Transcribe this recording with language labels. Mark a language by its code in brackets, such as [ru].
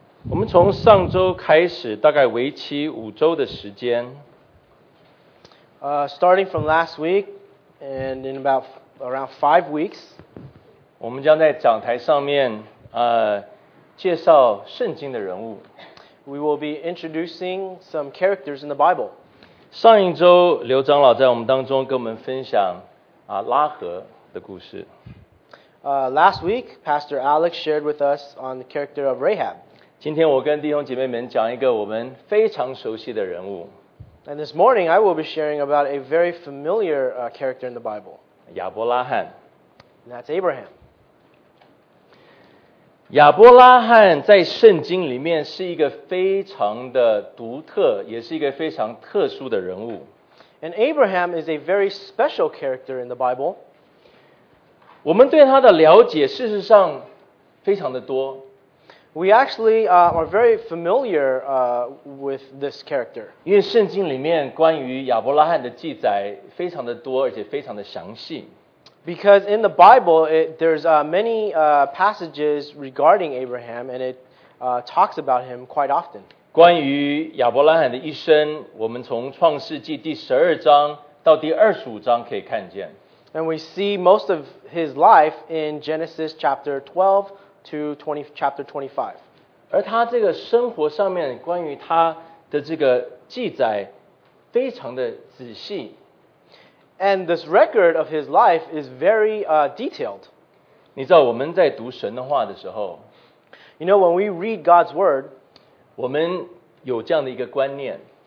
[zh] 我们从上周开始，大概为期五周的时间。 [en] Starting from last week, and in about around 5 weeks, [zh] 我们将在讲台上面介绍圣经的人物。 [en] We will be introducing some characters in the Bible. [zh] 上一周刘长老在我们当中跟我们分享拉合的故事。 [en] Last week, Pastor Alex shared with us on the character of Rahab. [zh] 今天我跟弟兄姐妹们讲一个我们非常熟悉的人物。 [en] And this morning, I will be sharing about a very familiar character in the Bible. [zh] 亚伯拉罕。 [en] And that's Abraham. [zh] 亚伯拉罕在圣经里面是一个非常的独特，也是一个非常特殊的人物。 [en] And Abraham is a very special character in the Bible. [zh] 我们对他的了解事实上非常的多。 [en] We actually are very familiar with this character. [zh] 因为圣经里面关于亚伯拉罕的记载非常的多，而且非常的详细。 [en] Because in the Bible, there's many passages regarding Abraham, and it talks about him quite often. [zh] 关于亚伯拉罕的一生，我们从创世纪第十二章到第二十五章可以看见。 [en] And we see most of his life in Genesis chapter 12 to chapter 25. [zh] 而他这个生活上面关于他的这个记载非常的仔细。 [en] And this record of his life is very detailed. [zh] 你知道我们在读神的话的时候， [en] You know, when we read God's word, [zh] 我们有这样的一个观念，